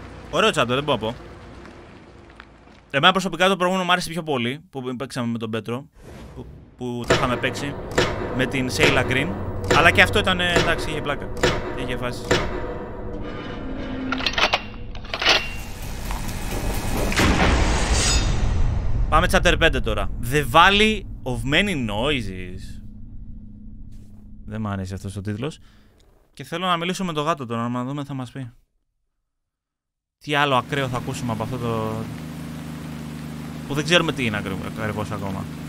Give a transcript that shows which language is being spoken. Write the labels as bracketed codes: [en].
[el] Ωραίο chapter, δεν μπορώ να πω. Εμένα προσωπικά το προηγούμενο μου άρεσε πιο πολύ που παίξαμε με τον Πέτρο. Που τα είχαμε παίξει με την Σέιλα Γκριν. Αλλά και αυτό ήταν, εντάξει, είχε πλάκα. Είχε φάσει. Πάμε chapter 5 τώρα. [en] The Valley of Many Noises. [el] Δεν μου αρέσει αυτός ο τίτλος. Και θέλω να μιλήσω με τον γάτο τώρα, να δούμε θα μας πει. Τι άλλο ακραίο θα ακούσουμε από αυτό το... Που δεν ξέρουμε τι είναι ακριβώς ακόμα.